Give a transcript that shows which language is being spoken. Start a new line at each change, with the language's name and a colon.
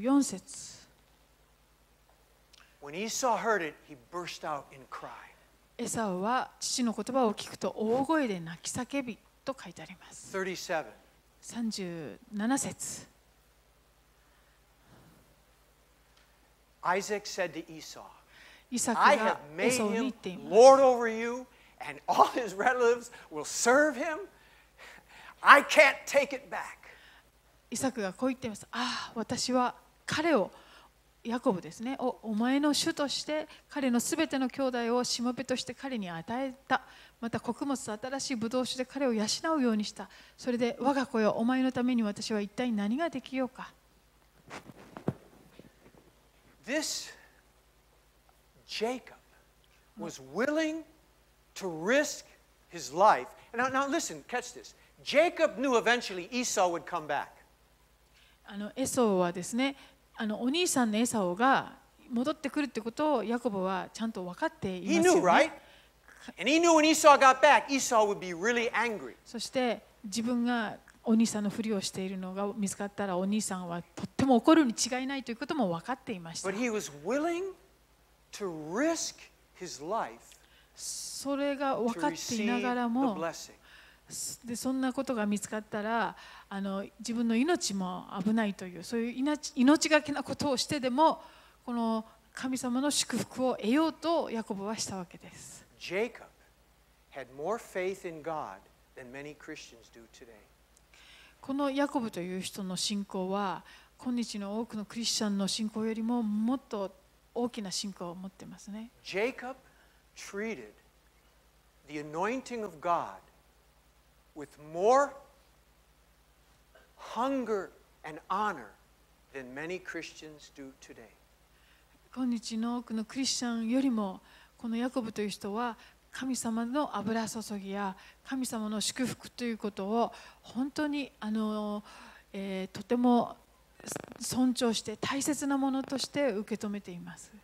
Japanese: 34節。
English: When Esau heard it, he burst out in cry.
Japanese: エサウは父の言葉を聞くと大声で泣き叫びと書いてあります。
English: 37.
Japanese: 37節。
English: Isaac said to Esau,
Japanese: イサクが、
English: I have made him Lord over you, and all his relatives will serve him. I can't take it back.
Japanese: イサクがこう言っています。ああ、私は彼をヤコブですね。お前の主として彼のすべての兄弟をしもべとして彼に与えた。また穀物と新しいブドウ酒で彼を養うようにした。それで我が子よ、お前のために私は一体何ができようか。
English: This Jacob was willing to risk his life. Now listen, catch this. Jacob knew eventually Esau would come back.
Japanese: エソーはですね、お兄さんのエサオが戻ってくるってことをヤコブはちゃんと分かっていますよね。
English: He knew, right? And he knew when Esau got back, Esau would be really angry.
Japanese: そして自分がお兄さんのふりをしているのが見つかったらお兄さんはとっても怒るに違いないということも分かっていました。
English: But he was willing to risk his life.
Japanese: それが分かっていながらも、でそんなことが見つかったら自分の命も危ないというそういう命がけなことをしてでもこの神様の祝福を得ようとヤコブはしたわけです。
English: Jacob had more faith in God than many Christians do today.
Japanese: このヤコブという人の信仰は、今日の多くのクリスチャンの信仰よりももっと大きな信仰を持ってますね。
English: Jacob treated the anointing of God with more hunger and honor than many Christians do today.
Japanese: 今日の多くのクリスチャンよりもこのヤコブという人は神様の油注ぎや神様の祝福ということを本当にとても尊重して大切なものとして受け止めています。